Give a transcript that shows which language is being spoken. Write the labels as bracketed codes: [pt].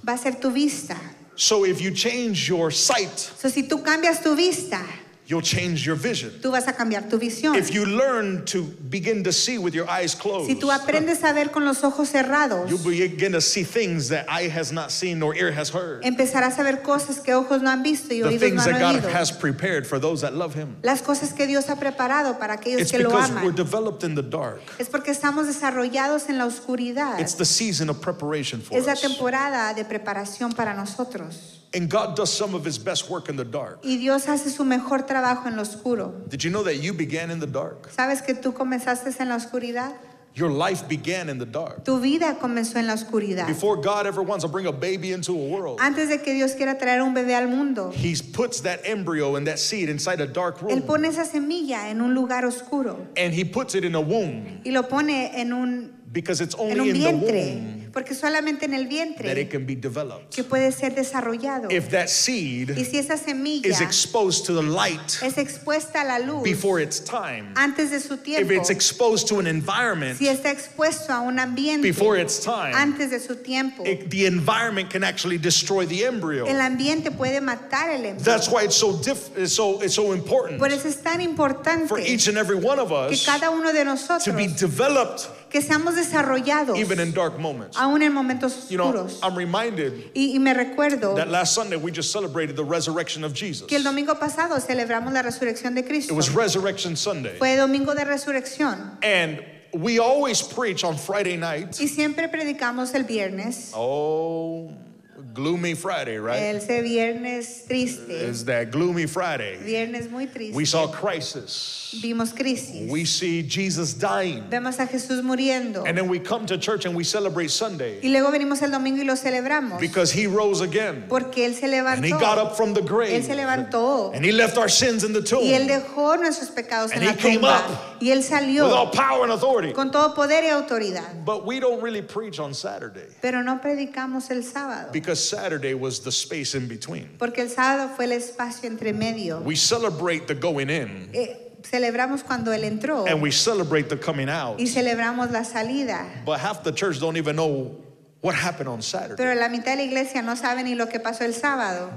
[es] Va a ser tu vista. [en] So if you change your sight, [es] so si tú cambias tu vista, [en] you'll change your vision. [es] Tú vas a cambiar tu visión. [en] If you learn to begin to see with your eyes closed, [es] si tú aprendes a ver con los ojos cerrados, [en] you'll begin to see things that eye has not seen nor ear has heard. [es] Empezarás a ver cosas que ojos no han visto y oídos no han oído. [en] The things that God has prepared for those that love him. [es] Las cosas que Dios ha preparado para aquellos [en] it's [es] que lo aman. [en] It's because we're developed in the dark. [es] Es porque estamos desarrollados en la oscuridad. [en] It's the season of preparation for us. [es] Es la [en] us. [es] Temporada de preparación para nosotros. [en] And God does some of his best work in the dark. [es] Y Dios hace su mejor trabajo en lo oscuro. [en] Did you know that you began in the dark? [es] ¿Sabes que tú comenzaste en la oscuridad? [en] Your life began in the dark. [es] Tu vida comenzó en la oscuridad. [en] Before God ever wants to bring a baby into a world. [es] Antes de que Dios quiera traer un bebé al mundo. [en] He puts that embryo and that seed inside a dark room. [es] Él pone esa semilla en un lugar oscuro. [en] And he puts it in a womb. [es] Y lo pone en un [en] because it's only in the womb. [es] Porque solamente en el vientre [en] that it can be developed. [es] Que puede ser desarrollado. [en] If that seed [es] y si esa semilla [en] is exposed to the light [es] es expuesta a la luz [en] before its time, [es] antes de su tiempo, [en] if it's exposed to an environment [es] si está expuesto a un ambiente [en] before its time, [es] antes de su tiempo, [en] the environment can actually destroy the embryo. [es] El ambiente puede matar el embrión. [en] That's why it's so important. [es] Por eso es tan importante [en] for each and every one of us [es] que cada uno de nosotros [en] to be developed. [es] Que seamos desarrollados. [en] Even in dark moments. [es] Aún en momentos oscuros. [en] You know, I'm reminded [es] y me recuerdo [en] that last Sunday we just celebrated the resurrection of Jesus. [es] Que el domingo pasado celebramos la resurrección de Cristo. [en] It was Resurrection Sunday. [es] Fue domingo de resurrección. [en] And we always preach on Friday night. [es] Y siempre predicamos el viernes. [en] Oh, gloomy Friday, right? [es] El viernes triste. [en] Is that gloomy Friday? [es] Viernes muy triste. [en] We saw crisis. [es] Vimos crisis. [en] We see Jesus dying. [es] Vemos a Jesús muriendo. [en] And then we come to church and we celebrate Sunday. [es] Y luego venimos el domingo y lo celebramos. [en] Because he rose again. [es] Porque él se levantó. [en] And he got up from the grave. [es] Él se levantó. [en] And he left our sins in the tomb. [es] Y él dejó nuestros pecados [en] and [es] en la tumba. [en] And he came up. [es] Y él salió. [en] With all power and authority. [es] Con todo poder y autoridad. [en] But we don't really preach on Saturday. [es] Pero no predicamos el sábado. [en] Because Saturday was the space in between. [es] Porque el sábado fue el espacio entre medio. [en] We celebrate the going in. [es] Celebramos cuando él entró. [en] And we celebrate the coming out. [es] Y celebramos la salida. [en] But half the church don't even know what happened on Saturday. [es] Pero la mitad de la iglesia no sabe ni lo que pasó el sábado.